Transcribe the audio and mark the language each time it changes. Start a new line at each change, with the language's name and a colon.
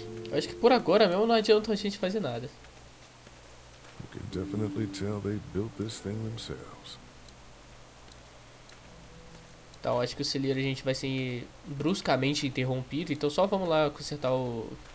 Portuguese: Eu acho que por agora mesmo não adianta a gente fazer nada.
English: You can definitely tell they built this thing themselves.
Portuguese: Tá, eu acho que o celeiro a gente vai ser bruscamente interrompido, então só vamos lá consertar o.